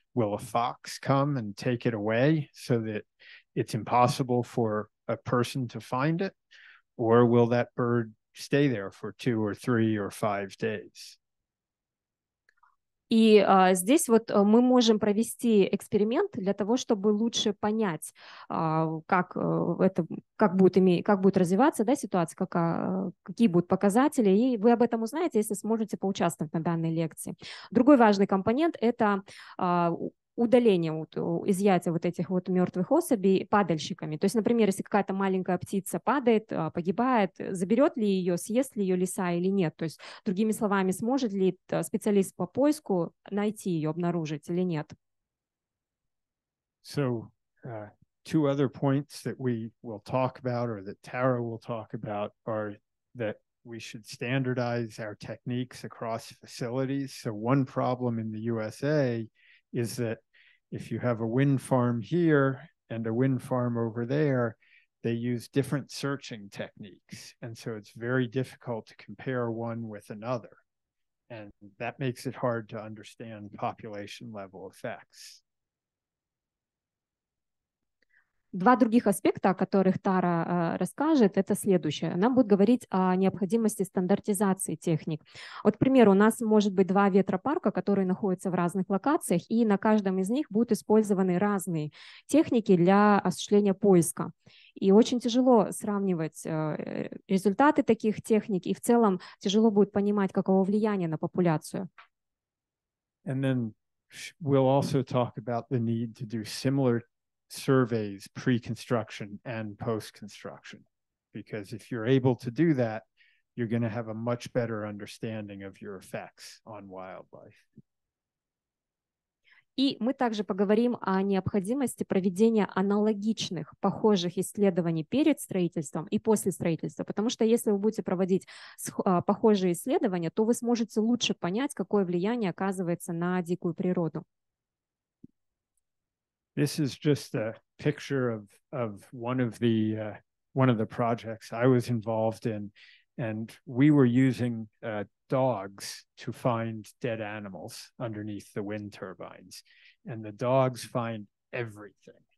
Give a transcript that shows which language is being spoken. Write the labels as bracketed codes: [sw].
[en] will a fox come and take it away so that it's impossible for a person to find it? Or will that bird stay there for 2 or 3 or 5 days? [ru] И здесь вот мы можем провести эксперимент для того, чтобы лучше понять, как будет развиваться, да, ситуация, какие будут показатели, и вы об этом узнаете, если сможете поучаствовать на данной лекции. Другой важный компонент – это удаление, изъятие вот этих вот мертвых особей падальщиками. То есть, например, если какая-то маленькая птица падает, погибает, заберет ли ее, съест ли ее лиса или нет? То есть, другими словами, сможет ли специалист по поиску найти ее, обнаружить или нет? [en] So, two other points that we will talk about or that Tara will talk about are that we should standardize our techniques across facilities. So, one problem in the USA is that if you have a wind farm here and a wind farm over there, they use different searching techniques. And so it's very difficult to compare one with another. And that makes it hard to understand population level effects. [ru] Два других аспекта, о которых Тара расскажет, это следующее. Она будет говорить о необходимости стандартизации техник. Вот, к примеру, у нас может быть два ветропарка, которые находятся в разных локациях, и на каждом из них будут использованы разные техники для осуществления поиска. И очень тяжело сравнивать результаты таких техник, и в целом тяжело будет понимать, каково влияние на популяцию. [en] And then we'll also talk about the need to do similar surveys pre-construction and post-construction, because if you're able to do that, you're going to have a much better understanding of your effects on wildlife. [ru] И мы также поговорим о необходимости проведения аналогичных, похожих исследований перед строительством и после строительства, потому что если вы будете проводить похожие исследования, то вы сможете лучше понять, какое влияние оказывается на дикую природу. [en] This is just a picture of one of the projects I was involved in, and we were using dogs to find dead animals underneath the wind turbines, and the dogs find everything.